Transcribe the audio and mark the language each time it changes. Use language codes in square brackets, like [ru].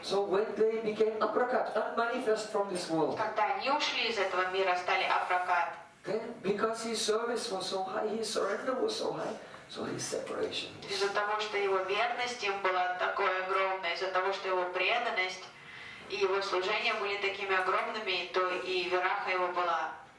[en] So when they became apracat, unmanifest from this world. [ru] Когда они ушли из этого мира, стали апракат. [en] Then, because his service was so high, his surrender was so high. So his separation. [ru] Из-за того, что его верность им была такой огромной, из-за того, что его преданность и его служение были такими огромными, то и вираха его была.